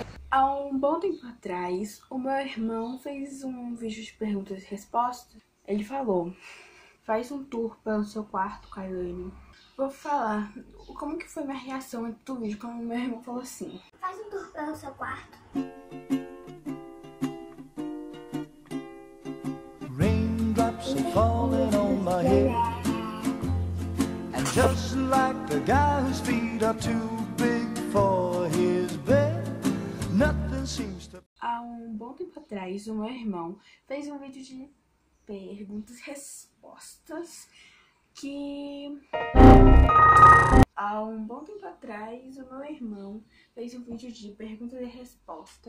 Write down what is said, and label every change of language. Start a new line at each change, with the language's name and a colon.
Portuguese: Há um bom tempo atrás, o meu irmão fez um vídeo de perguntas e respostas. Ele falou: faz um tour pelo seu quarto, Kailane. Vou falar como que foi minha reação em todo vídeo, como meu irmão falou assim. Faz um tour pelo seu quarto.
English: Raindrops are falling on my head. And just like the guy whose feet are too big for his bed. Nothing seems to...
Portuguese: Há um bom tempo atrás, o meu irmão fez um vídeo de perguntas e respostas que... Há um bom tempo atrás, o meu irmão fez um vídeo de pergunta e resposta.